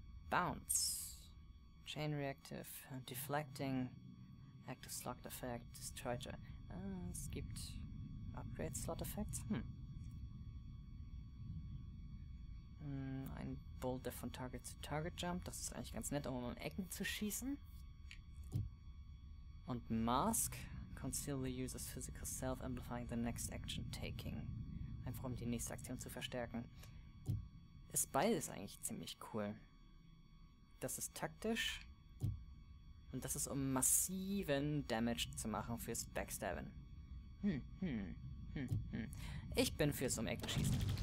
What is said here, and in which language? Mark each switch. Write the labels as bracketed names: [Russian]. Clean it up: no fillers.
[English] Bounce. Chain Reactive, Deflecting, Active Slot Effect, Discharger. [German] Es gibt Upgrade Slot Effects. Ein Bolt, der von Target zu Target jumpt. Das ist eigentlich ganz nett, um an Ecken zu schießen. Und Mask. [English] Conceal the user's physical self, amplifying the next action taking. [German] Einfach um die nächste Aktion zu verstärken. Ist beides eigentlich ziemlich cool. Das ist taktisch. Und das ist, um massiven Damage zu machen fürs Backstabben. Ich bin fürs Um-Ecken-Schießen.